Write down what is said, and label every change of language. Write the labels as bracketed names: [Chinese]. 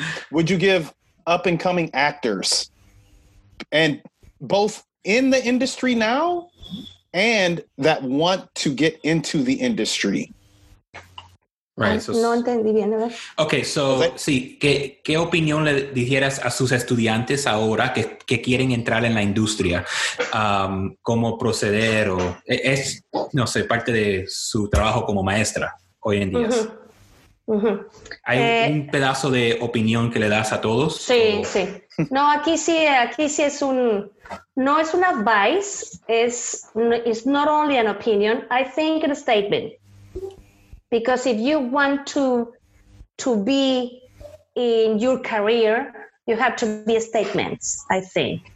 [English] Would you give up and coming actors, and both in the industry now and that want to get into the industry? Right. So, [Spanish] no entendí bien. [English] Okay. So, okay. [Spanish] Sí, ¿qué opinión le dijeras a sus estudiantes ahora que quieren entrar en la industria? ¿Cómo proceder? O, es, no sé, parte de su trabajo como maestra hoy en día. Uh-huh. ¿Hay un pedazo de opinión que le das a todos? Sí, o... sí. No, aquí sí es un... No es un [English] advice, it's not only an opinion, I think it's a statement. Because if you want to be in your career, you have to be a statement, I think.